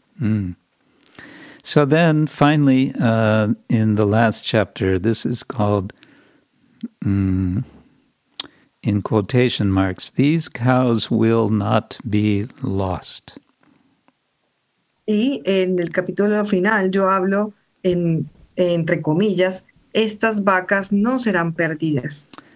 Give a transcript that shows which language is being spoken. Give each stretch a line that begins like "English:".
English: Mm. So then, finally, in the last chapter, this is called, in quotation marks, "These cows will not be lost."
Spanish: Y en el capítulo final yo hablo entre comillas, estas vacas no serán perdidas.